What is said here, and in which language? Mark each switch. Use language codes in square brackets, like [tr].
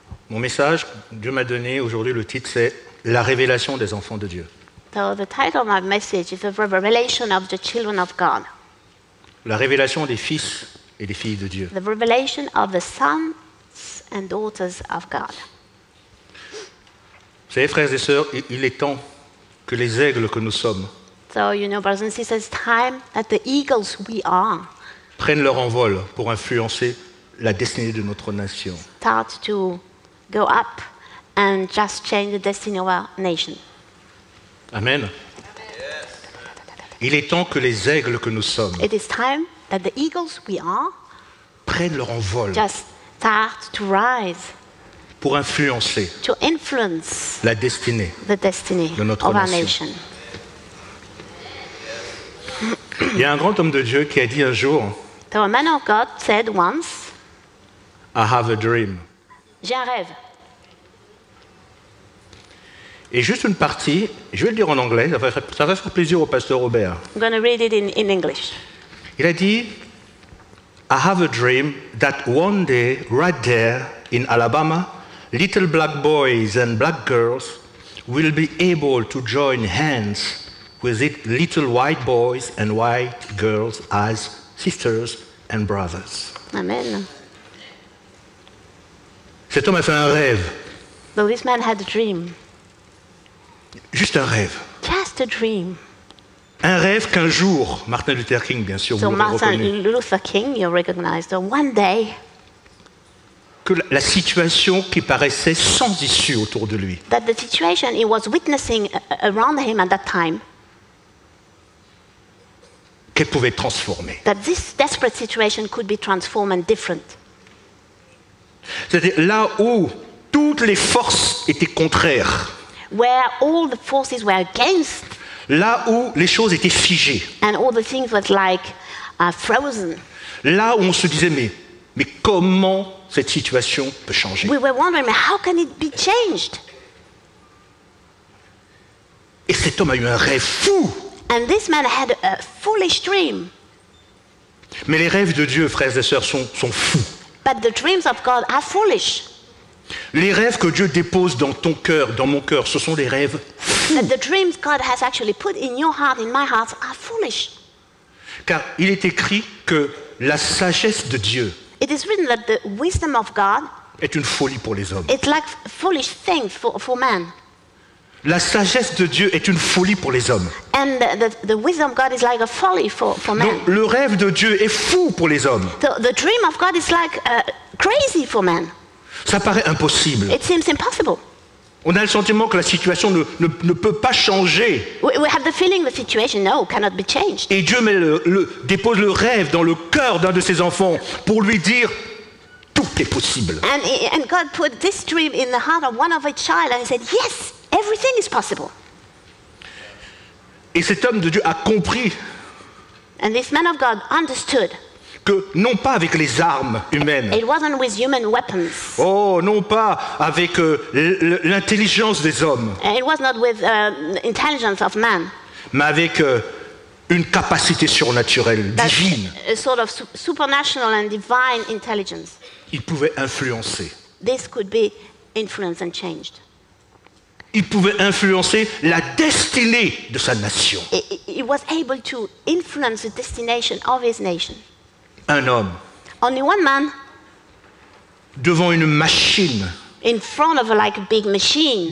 [fr] Mon message que Dieu m'a donné aujourd'hui, le titre c'est La révélation des enfants de Dieu. [en] So the title of my message is the revelation of the children of God. [fr] La révélation des fils et des filles de Dieu. [en] The revelation of the sons and daughters of God. [fr] Vous savez, frères et sœurs, il est temps que les aigles que nous sommes. [en] So you know, brothers and sisters, it's time that the eagles we are. [fr] Prennent leur envol pour influencer la destinée de notre nation. [en] Start to go up. And just change the destiny of our nation. Amen. Yes. [fr] Il est temps que les aigles que nous sommes. [en] It is time that the eagles we are. [fr] Prennent leur envol. [en] Just start to rise. [fr] Pour influencer. [en] To influence. [fr] La destinée. [en] The destiny [fr] de notre [en] of [fr] nation. [en] Our nation. [fr] Il y a un grand homme de Dieu qui a dit un jour. [en] So a man of God said once. I have a dream. [fr] J'ai un rêve. Et juste une partie, je vais le dire en anglais, ça va faire plaisir au pasteur Robert. [en] I'm going to read it in English. [fr] Il a dit, [en] I have a dream that one day, right there in Alabama, little black boys and black girls will be able to join hands with it, little white boys and white girls as sisters and brothers. Amen. [fr] Cet homme a fait un rêve. [en] Well, this man had a dream. [fr] Juste un rêve. [en] Just a dream. [fr] Un rêve qu'un jour, Martin Luther King, bien sûr, [en] so [fr] vous l'aurez reconnu. [en] So Martin Luther King, you recognized him. One day, [fr] que la situation qui paraissait sans issue autour de lui. [en] That the situation he was witnessing around him at that time. [fr] Qu'elle pouvait transformer. [en] That this desperate situation could be transformed and different. [fr] C'était là où toutes les forces étaient contraires. [en] Where all the forces were against. [fr] Là où les choses étaient figées. [en] And all the things were like frozen. [fr] Là où on se disait, Mais comment cette situation peut changer? [en] We were wondering, how can it be changed? [fr] Et cet homme a eu un rêve fou. [en] And this man had a foolish dream. [fr] Mais les rêves de Dieu, frères et sœurs, sont fous. [en] But the dreams of God are foolish. [fr] Les rêves que Dieu dépose dans ton cœur, dans mon cœur, ce sont des rêves fous. [en] But the dreams God has actually put in your heart, in my heart, are foolish. [fr] Car il est écrit que la sagesse de Dieu, [en] it is written that the wisdom of God, [fr] est une folie pour les hommes. [en] It's like foolish thing for man. [fr] La sagesse de Dieu est une folie pour les hommes. [en] And the wisdom of God is like a folly for man. [fr] Donc le rêve de Dieu est fou pour les hommes. [en] The dream of God is like crazy for man. [fr] Ça paraît impossible. [en] It seems impossible. [fr] On a le sentiment que la situation ne peut pas changer. [en] We have the feeling the situation no cannot be changed. [fr] Et Dieu dépose le rêve dans le cœur d'un de ses enfants pour lui dire tout est possible. [en] And God put this dream in the heart of one of his child and he said yes. Everything is possible. [fr] Et cet homme de Dieu a compris. [en] And this man of God understood. [fr] Que non pas avec les armes humaines. [en] It wasn't with human weapons. [fr] Oh, non pas avec l'intelligence des hommes. [en] It was not with intelligence of man. [fr] Mais avec une capacité surnaturelle, divine. [en] A sort of supernatural and divine intelligence. [fr] Il pouvait influencer. [en] This could be influenced and changed. [fr] Il pouvait influencer la destinée de sa nation. [en] He was able to influence the destination of his nation. [fr] Un homme. [en] Only one man. [fr] Devant une machine. [en] In front of like a big machine.